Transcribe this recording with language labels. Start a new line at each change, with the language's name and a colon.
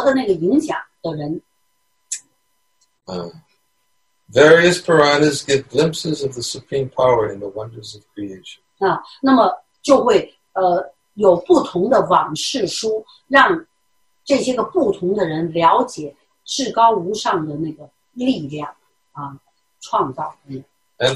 Chinese: 对于那些个就是受这个物质的善良、激情、愚昧属性混合的那个影响的人。
English: Various Puranas give glimpses of the supreme power in the wonders of creation.
Chinese: 那么就会有不同的往事书，让这些个不同的人了解至高无上的那个力量啊，创造。
English: And